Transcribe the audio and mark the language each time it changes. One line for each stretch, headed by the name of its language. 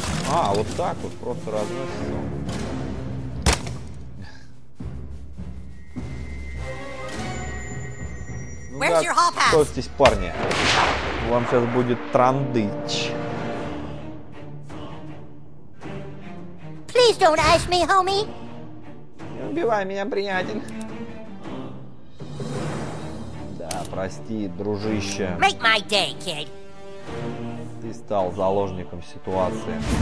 Russian: А, вот так вот просто разносится.
English: Where's your hall pass?
Russian: Что здесь, парни? Вам сейчас будет трандыч.
English: Please don't ask me, homie.
Russian: Не убивай меня, приятель. Да, прости, дружище.
English: Make my day, kid.
Russian: Ты стал заложником ситуации.